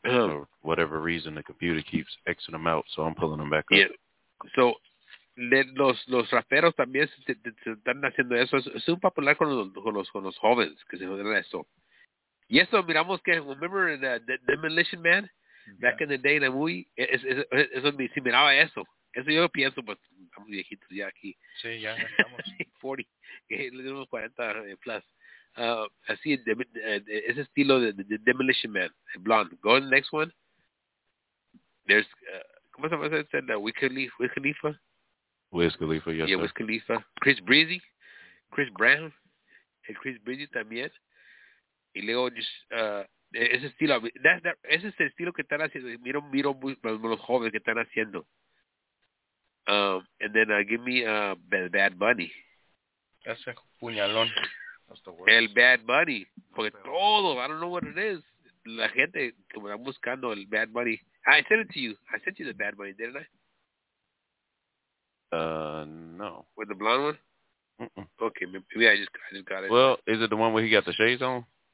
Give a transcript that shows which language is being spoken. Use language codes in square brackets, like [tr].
[en] For whatever reason, the computer keeps Xing them out, so I'm pulling them back up. Yeah. [es] So, los raperos también se están haciendo eso. Es un popular con los jóvenes que se juegan eso. Y eso miramos que, [en] remember the Demolition Man? Back in the day, the movie. [es] Eso me miraba eso. Eso yo pienso, pues, estamos viejitos ya aquí. Sí, ya estamos. 40, que le dimos 40 plus. Así, ese estilo de Demolition Man, el blonde. [en] Go on the next one. There's, [es] ¿cómo se llama ese? [en] Wiz Khalifa. Wiz Khalifa, yes. Yeah, Wiz Khalifa. Chris Breezy. Chris Brown. [es] El Chris Breezy también. Y luego, ese estilo, ese es el estilo que están haciendo. Miro muy, los jóvenes que están haciendo. [en] And then give me Bad Bunny. [es] Ese puñalón. El Bad Bunny. Porque todo, [en] I don't know what it is. [es] La gente como está buscando el Bad Bunny. [en] I sent it to you. I sent you the Bad Bunny, didn't I? No. With the blonde one? Mm-mm. Okay, maybe I just got it. Well, is it the one where he got the shades on?